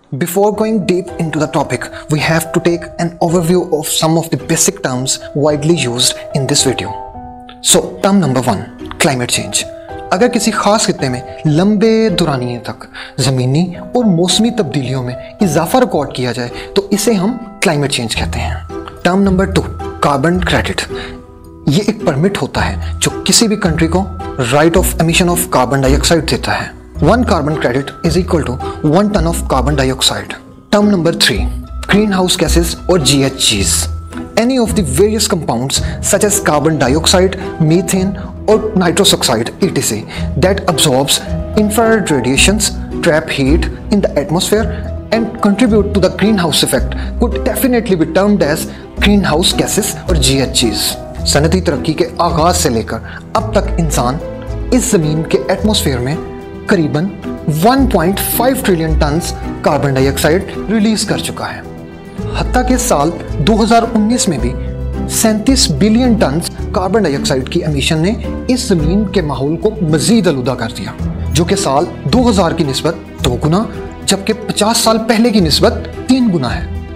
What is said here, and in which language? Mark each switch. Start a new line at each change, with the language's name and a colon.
English: Before going deep into the topic, we have to take an overview of some of the basic terms widely used in this video. So, term number one, climate change.
Urdu: اگر کسی خاص خطے میں لمبے دورانیے تک زمینی اور موسمی تبدیلیوں میں اضافہ ریکارڈ کیا جائے تو اسے ہم کلائمیٹ چینج کہتے ہیں.
English: Term number two, carbon credit.
Urdu: یہ ایک پرمٹ ہوتا ہے جو کسی بھی کنٹری کو
English: right of emission of carbon dioxide
Urdu: دیتا ہے.
English: One carbon credit is equal to one ton of carbon dioxide. Term number three, greenhouse gases اور G H Gs. Any of the various compounds such as carbon dioxide, methane or nitrous oxide etc. that absorbs infrared radiations, trap heat in the atmosphere and contribute to the greenhouse effect could definitely be termed as greenhouse gases or GHGs.
Urdu: صنعتی ترقی کے آغاز سے لے کر اب تک انسان اس زمین کے ایٹموسفیئر میں قریب 1.5 ٹریلین ٹنز کاربن ڈائی آکسائڈ ریلیز کر چکا ہے. حتیٰ کہ سال 2019 میں بھی 37 بلین ٹنز کاربن ڈائی آکسائڈ کی امیشن نے اس زمین کے ماحول کو مزید آلودہ کر دیا, جو کہ سال 2000 کی نسبت 2 گنا جبکہ 50 سال پہلے کی نسبت 3 گنا ہے.